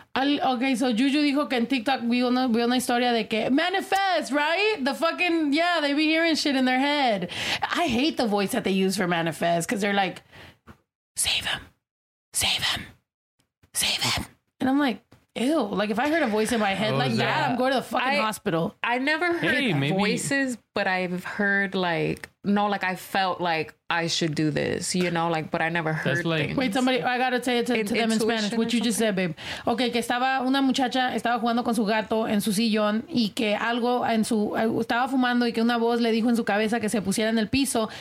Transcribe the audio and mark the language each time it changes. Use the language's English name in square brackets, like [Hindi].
[Spanish] Okay, so Juju dijo que en TikTok vi una historia de que [English] manifest, right? The fucking, yeah, they be hearing shit in their head. I hate the voice that they use for manifest because they're like, save him, save him, save him. And I'm like, ew. Like, if I heard a voice in my head that, I'm going to the fucking hospital. I never heard voices, but I've heard, like, no, like, I felt like I should do this, you know? Like, but I never heard things. Wait, somebody, I gotta say it to them in Spanish, what you just said, babe. [Spanish] Okay, que estaba una muchacha, estaba jugando con su gato en su sillón, y que algo en su, estaba fumando, y que una voz le dijo en su cabeza que se pusiera en el piso.